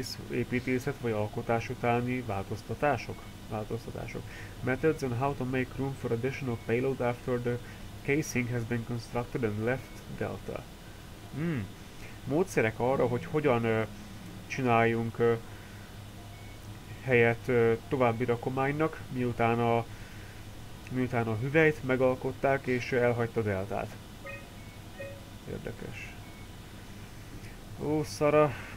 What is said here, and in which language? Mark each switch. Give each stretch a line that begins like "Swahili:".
Hungarian: Építészet vagy alkotás utáni változtatások? Változtatások.
English: Methods on how to make room for additional payload after the casing has been constructed and left delta.
Hungarian: Módszerek arra, hogy hogyan csináljunk helyet további rakománynak, miután a hüvelyt megalkották és elhagyta deltát. Érdekes. Ó, Sara.